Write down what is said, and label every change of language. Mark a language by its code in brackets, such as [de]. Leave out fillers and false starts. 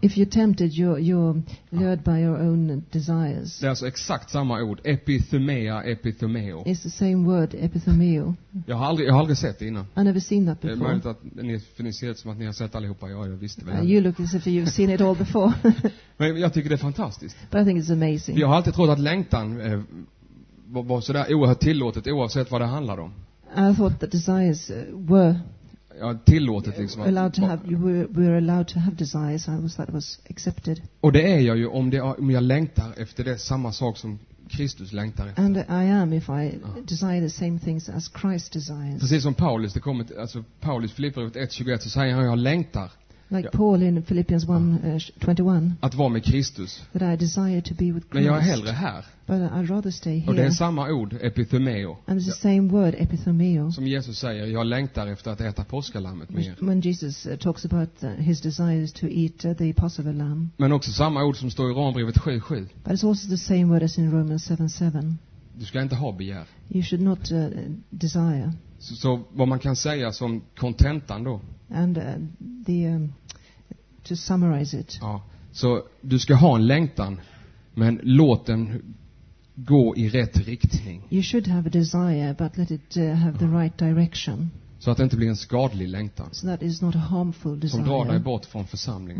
[en] If you're tempted, you're lured by your own desires. [sv] Det är alltså exakt samma ord, epithumeia, epithumeo. [en] It's the same word, epithumeo. [sv] Jag har aldrig sett det innan. [en] I've never seen that before. [sv] Men att ni ser ut som att ni har sett allihopa. Ja, jag visste väl. [en] You look as if you've seen it all before. [sv] Men jag tycker det är fantastiskt. [en] But I think it's amazing. [sv] Jag har alltid trott att längtan var så där oerhört tillåtet, oavsett vad det handlar om. [en] I thought that desires were, [sv] ja, tillåtet liksom. [en] Allowed to have, we're allowed to have desires. I was, that was accepted. [sv] Och det är jag ju om jag längtar efter det samma sak som Kristus längtar efter. [en] And I am if I desire the same things as Christ desires. [sv] Precis som Paulus, det kommer, alltså Paulus Filipperbrevet 1:21, så säger han, jag längtar. [en] Like Paul in Philippians 1:21. [sv] Att vara med Kristus. [en] That I desire to be with Christ. [sv] Men jag är hellre här. [en] But I'd rather stay here. [sv] Och det är samma ord, epithumeo. [en] And it's the same word, epithumeo. [sv] Som Jesus säger, jag längtar efter att äta påskalammet mer. [en] When Jesus talks about his desires to eat the Passover lamb. [sv] Men också samma ord som står i Romarbrevet 7:7. [en] But it's also the same word as in Romans 7:7. [sv] Du ska inte ha begär. [en] You should not desire. [sv] Så vad man kan säga som kontentan då. [en] And the to summarize it. [sv] Ja, så du ska ha en längtan, men låt den gå i rätt riktning. [en] You should have a desire, but let it have the right direction. [sv] Så att det inte blir en skadlig längtan. [en] So that is not a harmful desire. [sv] Som drar dig bort från församlingen.